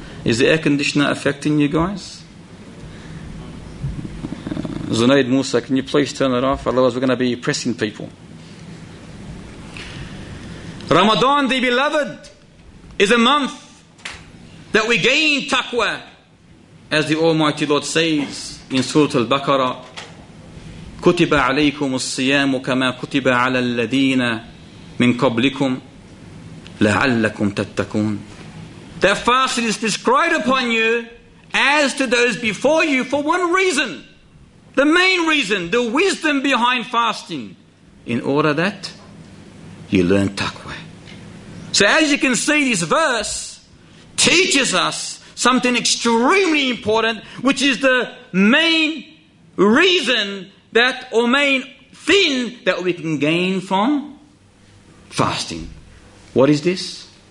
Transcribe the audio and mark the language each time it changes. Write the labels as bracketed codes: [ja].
[en] Is the air conditioner affecting you guys? Zunaid Musa, can you please turn it off? Otherwise, we're going to be oppressing people. Ramadan, the beloved, is a month that we gain taqwa. As the Almighty Lord says in Surah Al-Baqarah, [ar] كُتِبَ عَلَيْكُمُ الصِّيَامُ كَمَا كُتِبَ عَلَى الَّذِينَ مِنْ قَبْلِكُمْ لَعَلَّكُمْ تَتَّكُونَ. [en] That fasting is prescribed upon you as to those before you for one reason. The main reason, the wisdom behind fasting, in order that you learn taqwa. So as you can see, this verse teaches us something extremely important, which is the main reason that, or main thing that we can gain from fasting. What is this?